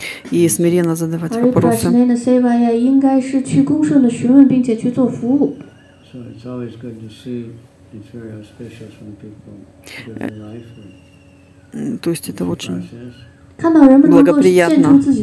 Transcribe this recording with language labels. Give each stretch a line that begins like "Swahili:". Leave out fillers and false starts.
Russian: И смиренно задавать вопросы.
English: It's very auspicious when people give their life.
Russian: То есть это очень благоприятно.